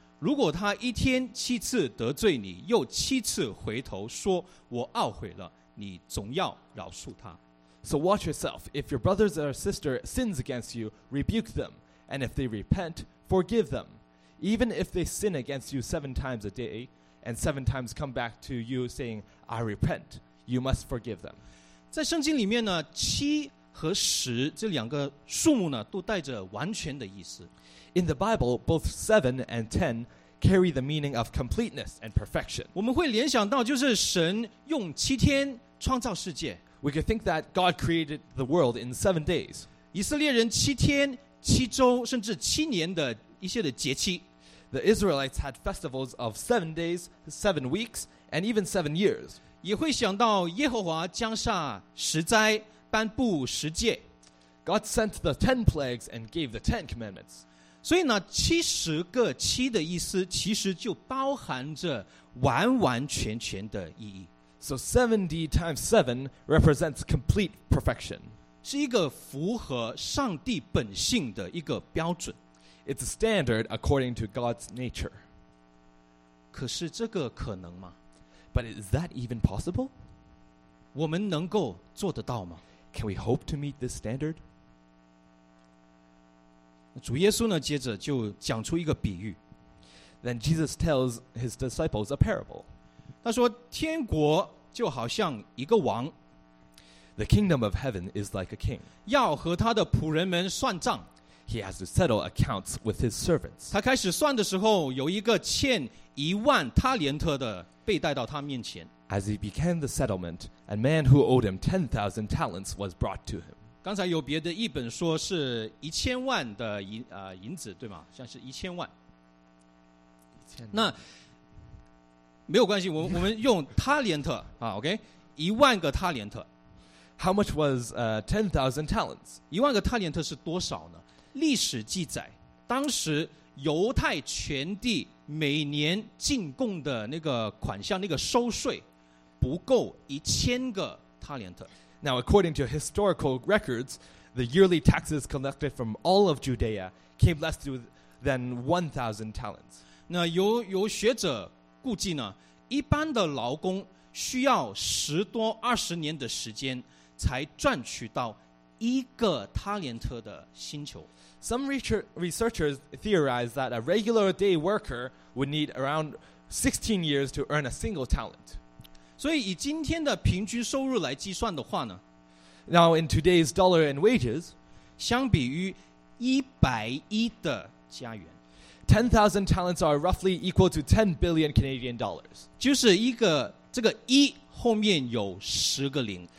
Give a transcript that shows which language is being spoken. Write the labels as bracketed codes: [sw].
[zh] 如果他一天七次得罪你，又七次回头说“我懊悔了”，你总要饶恕他。 [en] So watch yourself. If your brothers or sister sins against you, rebuke them. And if they repent, forgive them. Even if they sin against you seven times a day, and seven times come back to you saying, "I repent," you must forgive them. [zh] 在圣经里面呢，七和十这两个数目呢，都带着完全的意思。 [en] In the Bible, both 7 and 10 carry the meaning of completeness and perfection. [zh] 我们会联想到就是神用七天创造世界。 [en] We could think that God created the world in 7 days. [zh] 以色列人七天、七周甚至七年的一些的节期。 [en] The Israelites had festivals of 7 days, 7 weeks, and even 7 years. [zh] 也会想到耶和华降下十灾。颁布十诫 [en] God sent the 10 plagues and gave the 10 commandments. [zh] 所以呢，七十个七的意思其实就包含着完完全全的意义。 [en] So 70 times 7 represents complete perfection. [zh] 是一个符合上帝本性的一个标准。 [en] It's a standard according to God's nature. [zh] 可是这个可能吗？ [en] But is that even possible? [zh] 我们能够做得到吗？ [en] Can we hope to meet this standard? [zh] 主耶稣呢，接着就讲出一个比喻。 [en] Then Jesus tells his disciples a parable. [zh] 他说，天国就好像一个王。 [en] The kingdom of heaven is like a king. [zh] 要和他的仆人们算账。 [en] He has to settle accounts with his servants. [zh] 他开始算的时候，有一个欠一万他连特的被带到他面前。 [en] As he began the settlement, a man who owed him 10,000 talents was brought to him. [zh] 刚才有别的一本说是一千万的银子，对吗？像是一千万。那没有关系，我们用 talent 啊 ，OK， 一万个 talent。 [en] How much was 10,000 talents？ [zh] 一万个 talent 是多少呢？历史记载，当时犹太全地每年进贡的那个款项，那个收税不够一千个 talent。 [en] Now, according to historical records, the yearly taxes collected from all of Judea came less than 1,000 talents. [zh] 那有学者估计呢，一般的劳工需要十多二十年的时间才赚取到一个塔连特的薪酬。 [en] Some researchers theorize that a regular day worker would need around 16 years to earn a single talent. [zh] 所以以今天的平均收入来计算的话呢， [en] Now in today's dollar and wages, [zh] 相比于一百亿的加元， [en] 10,000 talents are roughly equal to 10 billion Canadian dollars. [zh] 就是一个这个一后面有十个零。